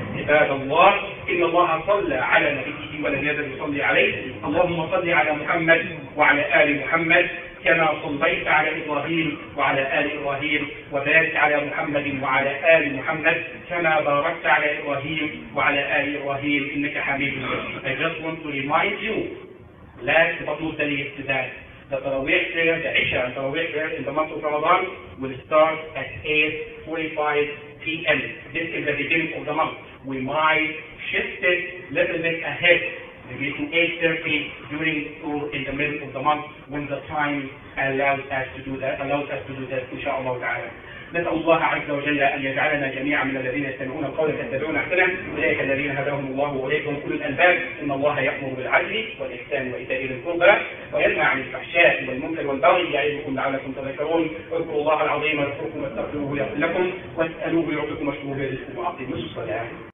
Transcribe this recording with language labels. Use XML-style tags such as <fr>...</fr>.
<ar>عباد الله، ان الله صلى على نبيه ولم يزل يصلي عليه، اللهم صل على محمد وعلى ال محمد كما صليت على ابراهيم وعلى ال ابراهيم، وبارك على محمد وعلى ال محمد كما باركت على ابراهيم وعلى ال ابراهيم انك حميد مجيد.</ar> <en>I just want to remind you, last but not least, that the Taraweeh prayer, the Isha and Taraweeh prayer in the month of Ramadan will start at 8:45 p.m. This is the beginning of the month. We might shift it a little bit ahead, maybe to 8:30 during or in the middle of the month when the time allows us to do that, inshaAllah ta'ala.</en> <ar>نسأل الله عز وجل أن يجعلنا جميعا من الذين يستمعون القول فيتبعون أحسنه أولئك الذين هداهم الله وأولئك كل الألباب إن الله يأمر بالعدل والإحسان وإيتاء ذي القربى وينهى عن الفحشاء والمنكر والبغي يعظكم لعلكم تذكرون اذكروا الله العظيم يذكركم واستغفروه يغفر لكم واسألوه يعطكم مشكوره يزدكم وأقيموا الصلاة.</ar>